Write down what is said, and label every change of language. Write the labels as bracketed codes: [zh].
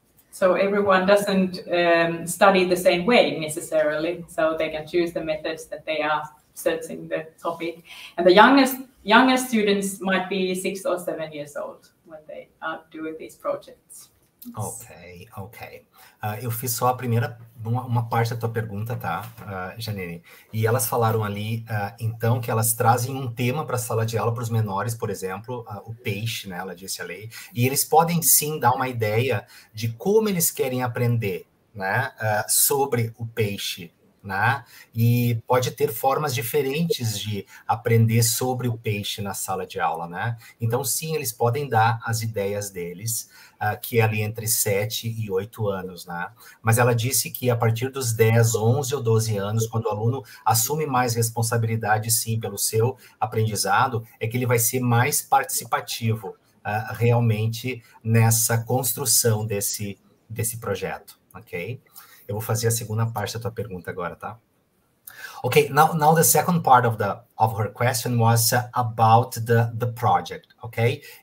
[en] so everyone doesn't study the same way necessarily, so they can choose the methods that they are searching the topic. And the youngest students might be 6 or 7 years old when they are doing these projects. Ok. [pt] Eu fiz só a primeira, uma parte da tua pergunta, tá, Janine? E elas falaram ali, então, que elas trazem um tema para a sala de aula para os menores, por exemplo, o peixe, né, ela disse ali, e eles podem sim dar uma ideia de como eles querem aprender, né, sobre o peixe, né? E pode ter formas diferentes de aprender sobre o peixe na sala de aula, né? Então, sim, eles podem dar as ideias deles, que é ali entre 7 e 8 anos, né? Mas ela disse que a partir dos 10, 11 ou 12 anos, quando o aluno assume mais responsabilidade, sim, pelo seu aprendizado, é que ele vai ser mais participativo, realmente, nessa construção desse projeto, ok? Eu vou fazer a segunda parte da tua pergunta agora, tá? [en] Okay, now the second part of her question was about the project, okay?